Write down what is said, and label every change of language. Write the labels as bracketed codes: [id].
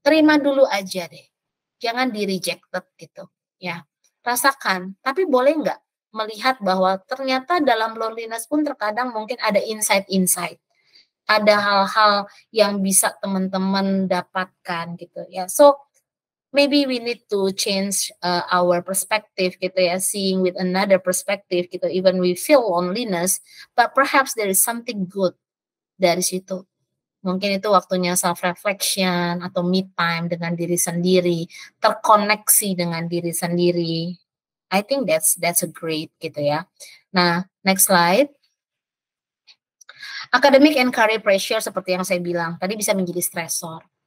[id] Terima dulu aja deh, jangan di rejected gitu ya, rasakan. Tapi boleh nggak melihat bahwa ternyata dalam loneliness pun terkadang mungkin ada insight-insight, ada hal-hal yang bisa teman-teman dapatkan gitu ya. [en] So maybe we need to change our perspective gitu ya, seeing with another perspective gitu, even we feel loneliness, but perhaps there is something good [id] dari situ. Mungkin itu waktunya self-reflection atau me-time dengan diri sendiri, terkoneksi dengan diri sendiri. [en] I think that's a great gitu ya. Nah, next slide. Academic and career pressure [id] seperti yang saya bilang tadi bisa menjadi stressor.